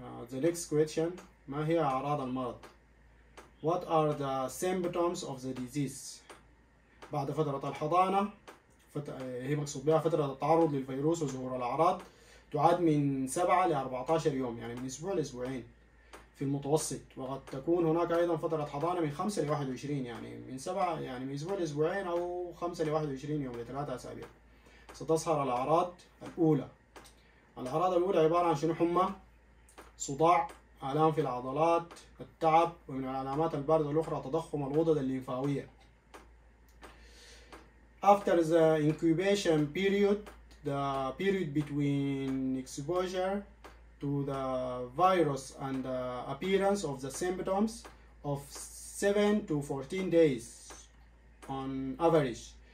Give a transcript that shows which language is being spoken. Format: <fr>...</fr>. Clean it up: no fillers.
<en>The next question:</en> <ar>ما هي أعراض المرض؟</ar> <en>What are the symptoms of the disease?</en> <ar>بعد فترة الحضانة هي مقصود بها فترة التعرض للفيروس وظهور الأعراض تعد من 7 إلى 14 يوم يعني من أسبوع لأسبوعين في المتوسط، وقد تكون هناك ايضا فترة حضانة من 5 إلى 21 يعني من 7 يعني من اسبوع لاسبوعين او 5 إلى 21 يوم لثلاثة اسابيع. ستظهر الاعراض الاولى. الاعراض الاولى عبارة عن شنو؟ حمى، صداع، الام في العضلات، التعب، ومن العلامات الباردة الاخرى تضخم الغدد الليمفاوية.</ar> <en>After the incubation period, the period between exposure to the virus and the appearance of the symptoms of 7 to 14 days on average.</en>